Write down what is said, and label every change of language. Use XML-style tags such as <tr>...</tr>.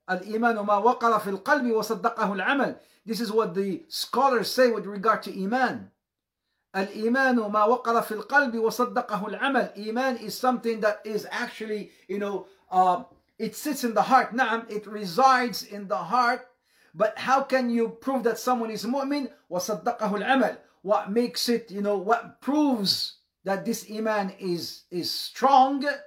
<ar>الإيمان ما وقر في القلب وصدقه العمل.</ar> <en>This is what the scholars say with regard to Iman.</en> <ar>الإيمان ما وقر في القلب وصدقه العمل.</ar> <en>Iman is something that is actually, you know, it sits in the heart. نعم, it resides in the heart. But how can you prove that someone is mu'min?</en> <ar>وصدقه العمل.</ar> <en>What makes it, you know, what proves that this Iman is strong?</en>